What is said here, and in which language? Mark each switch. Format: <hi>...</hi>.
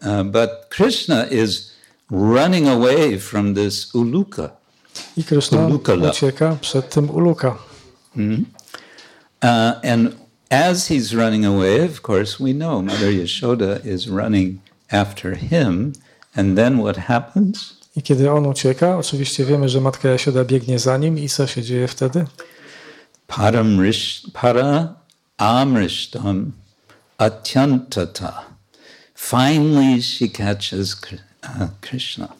<en>But Krishna is running away from this uluka.</en> <pl>I Krishna ucieka przed tym uluka. Mm-hmm.</pl> <en>And as he's running away, of course, we know Mother Yashoda is running after him. And then what happens?</en> <pl>I kiedy on ucieka, oczywiście wiemy, że Matka Yashoda biegnie za nim. I co się dzieje wtedy?</pl> <sa>Para-amrishtam atyantata.</sa> <en>Finally she catches Krishna.</en>